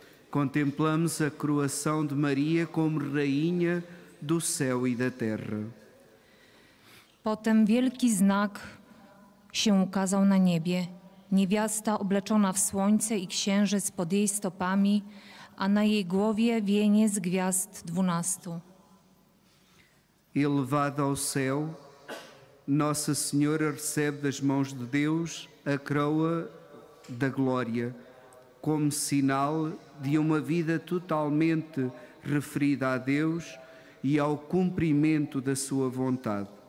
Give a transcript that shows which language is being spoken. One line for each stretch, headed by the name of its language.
Portuguese: Contemplamos a coroação de Maria como rainha do céu e da terra.
Polish: Potem wielki znak się ukazał na niebie. Niewiasta obleczona w słońce i księżyc pod jej stopami, a na jej głowie wieniec gwiazd dwunastu.
Portuguese: Elevada ao céu, Nossa Senhora recebe das mãos de Deus a coroa da glória, como sinal de uma vida totalmente referida a Deus e ao cumprimento da sua vontade.